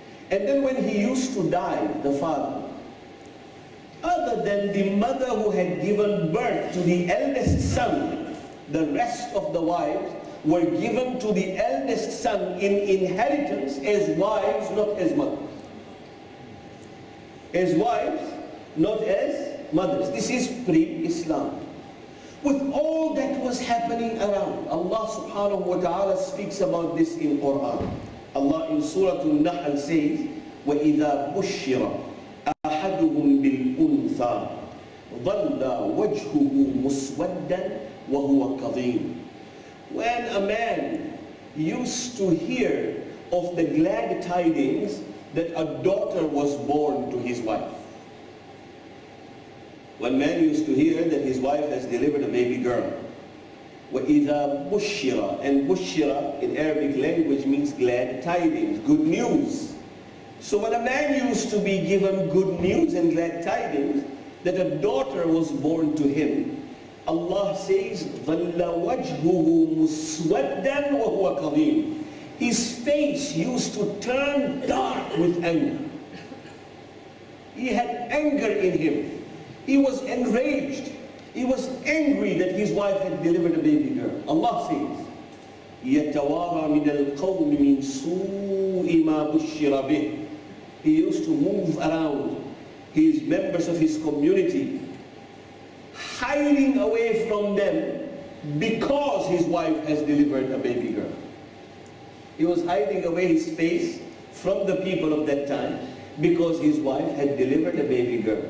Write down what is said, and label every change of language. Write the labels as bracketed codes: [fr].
[en] And then when he used to die, the father, other than the mother who had given birth to the eldest son, the rest of the wives were given to the eldest son in inheritance as wives, not as mothers. As wives, not as mothers. This is pre-Islam. With all that was happening around, Allah subhanahu wa ta'ala speaks about this in Quran. Allah in Surah An-Nahl says, [ar] وَإِذَا بُشِّرَ أَحَدُهُمْ بِالْأُنْثَى ظَلَّ وَجْهُهُ مُسْوَدًّا وَهُوَ كَظِيمٌ. [en] When a man used to hear of the glad tidings that a daughter was born to his wife. When man used to hear that his wife has delivered a baby girl. [ar] وَإِذَا بُشِّرَ, [en] and بُشِّرَ in Arabic language means glad tidings, good news. So when a man used to be given good news and glad tidings that a daughter was born to him, Allah says, [ar] ظَلَّ وَجْهُهُ مُسْوَدًّا وَهُوَ كَظِيمٌ. [en] His face used to turn dark with anger. He had anger in him. He was enraged. He was angry that his wife had delivered a baby girl. Allah says, [ar] يَتَوَارَى مِنَ الْقَوْمِ مِنْ سُوءِ مَا بُشِّرَ بِهِ. [en] He used to move around his members of his community, hiding away from them because his wife has delivered a baby girl. He was hiding away his face from the people of that time because his wife had delivered a baby girl.